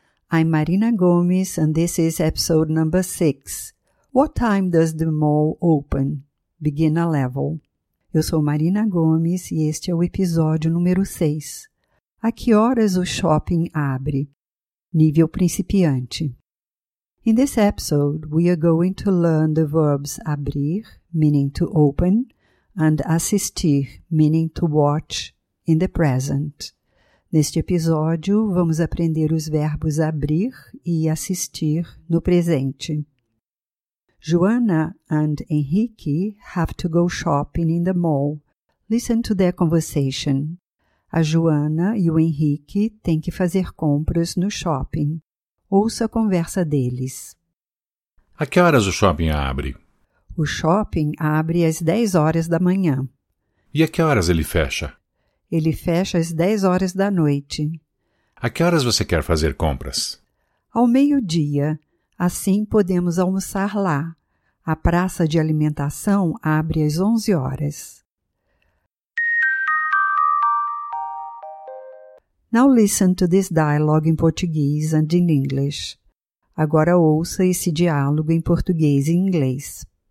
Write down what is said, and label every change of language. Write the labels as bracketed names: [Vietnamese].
[English] I'm Marina Gomes and this is episode number 6. What time does the mall open? Beginner level. [Portuguese] Eu sou Marina Gomes e este é o episódio número 6. A que horas o shopping abre? Nível principiante. [English] In this episode, we are going to learn the verbs abrir, meaning to open, and assistir, meaning to watch, in the present. [Portuguese] Neste episódio, vamos aprender os verbos abrir e assistir no presente. [English] Joana and Henrique have to go shopping in the mall. Listen to their conversation. [Portuguese] A Joana e o Henrique têm que fazer compras no shopping. Ouça a conversa deles. A que horas o shopping abre? O shopping abre às 10 horas da manhã. E a que horas ele fecha? Ele fecha às 10 horas da noite. A que horas você quer fazer compras? Ao meio-dia. Assim podemos almoçar lá. A praça de alimentação abre às 11 horas. [English] Now listen to this dialogue in Portuguese and in English. [Portuguese] Agora ouça esse diálogo em português e inglês.